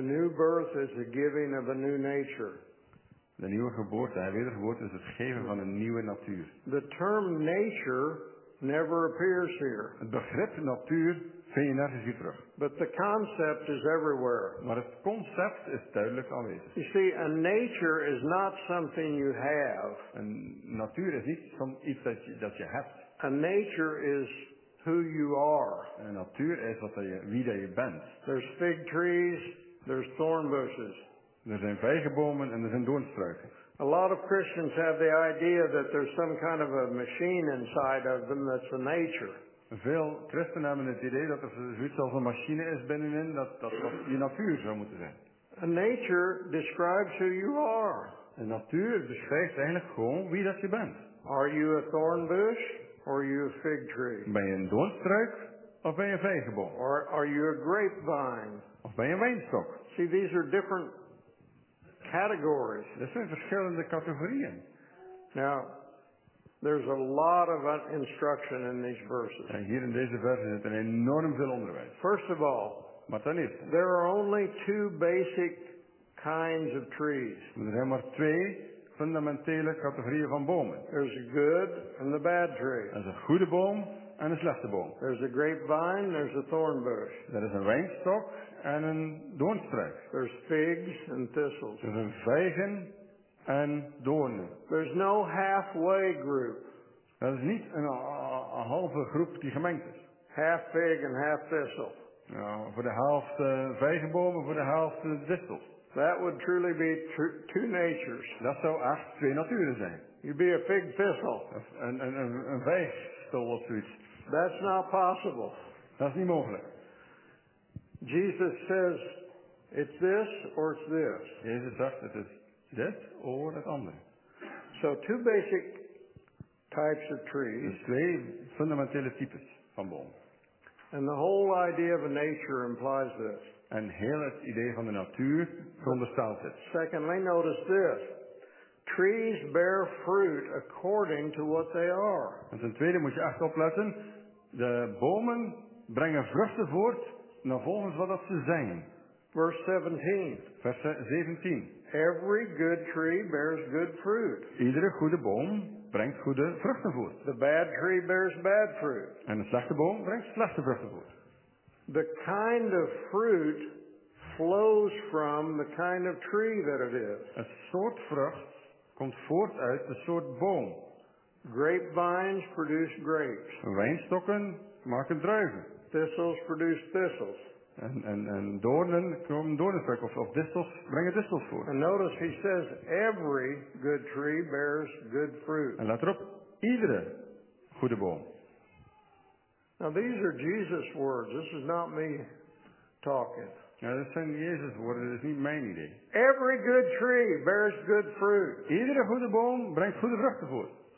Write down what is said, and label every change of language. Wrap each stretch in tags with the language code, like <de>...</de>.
<en>The new birth is the giving of a new nature.</en> <nl>De nieuwe geboorte, de wedergeboorte, is het geven van een nieuwe natuur.</nl> <en>The term nature never appears here.</en> <nl>Het begrip natuur vind je nergens hier terug.</nl> <en>But the concept is everywhere.</en> <nl>Maar het concept is duidelijk aanwezig.</nl> <en>You see, a nature is not something you have.</en> <nl>Een natuur is niet iets dat je hebt.</nl> <en>A nature is who you are.</en> <nl>Een natuur is wie dat je bent.</nl> <en>There's fig trees, there's thorn bushes.</en> <nl>Er zijn vijgenbomen en er zijn doornstruiken.</nl> <en>A lot of Christians have the idea that there's some kind of a machine inside of them that's a nature.</en> <nl>Veel christenen hebben het idee dat er zoiets als een machine is binnenin, dat je natuur zou moeten zijn.</nl> <en>A nature describes who you are.</en> <nl>Een natuur beschrijft eigenlijk gewoon wie dat je bent.</nl> <en>Are you a thorn bush or are you a fig tree?</en> <nl>Ben je een doornstruik of ben je een vijgenboom?</nl> <en>Or are you a grapevine?</en> <nl>Of ben je een wijnstok?</nl> <en>See, these are different categories.</en> <nl>Dit zijn verschillende categorieën.</nl> <en>Now, there's a lot of instruction in these verses.</en> <nl>En hier in deze versen zit een enorm veel onderwijs.</nl> <en>First of all,</en> <nl>maar ten eerste,</nl> <en>there are only two basic kinds of trees.</en> <nl>Er zijn maar twee fundamentele categorieën van bomen.</nl> <en>There's a good and the bad tree.</en> <nl>Er is een goede boom en een slechte boom.</nl> <en>There's a grapevine, there's a thorn bush.</en> <nl>Er is een wijnstok en een doornstruik.</nl> <en>There's figs and thistles.</en> <nl>Er zijn vijgen en doornen.</nl> <en>There's no halfway group.</en> <nl>Dat is niet een halve groep die gemengd is.</nl> <en>Half fig and half thistle.</en> <nl>Ja, voor de helft vijgenbomen, voor de helft distels.</nl> <en>That would truly be two natures.</en> <nl>Dat zou echt twee naturen zijn.</nl> <en>You'd be a fig thistle.</en> <nl>Een vijgstel of zoiets.</nl> <en>That's not possible.</en> <nl>Dat is niet mogelijk.</nl> <en>Jesus says, it's this or it's this.</en> <nl>Jezus zegt, het is dit of het andere.</nl> <en>So two basic types of trees.</en> <nl>Dus twee fundamentele types van bomen.</nl> <en>And the whole idea of a nature implies this.</en> <nl>En heel het idee van de natuur veronderstelt dit.</nl> <en>Secondly, notice this. Trees bear fruit according to what they are.</en> <nl>En ten tweede moet je echt opletten. De bomen brengen vruchten voort naar volgens wat dat ze zijn.</nl> <en>Verse 17.</en> <nl>Vers 17.</nl> <en>Every good tree bears good fruit.</en> <nl>Iedere goede boom brengt goede vruchten voort.</nl> <en>The bad tree bears bad fruit.</en> <nl>En een slechte boom brengt slechte vruchten voort.</nl> <en>The kind of fruit flows from the kind of tree that it is.</en> <nl>Een soort vrucht komt voort uit de soort boom.</nl> <en>Grapevines produce grapes.</en> <nl>Wijnstokken maken druiven.</nl> <en>thistles produce thistles.</en> <nl>En doornen komen doornenstruik of distels brengen distels voort.</nl> <en>And notice he says every good tree bears good fruit.</en> <nl>En let erop, iedere goede boom.</nl> <en>Now these are Jesus' words. This is not me talking.</en> <nl>Ja, dat zijn Jezus' woorden. Dat is niet mijn idee.</nl> <en>Every good tree bears good fruit.</en> <nl>Iedere goede boom brengt goede vruchten voort.</nl>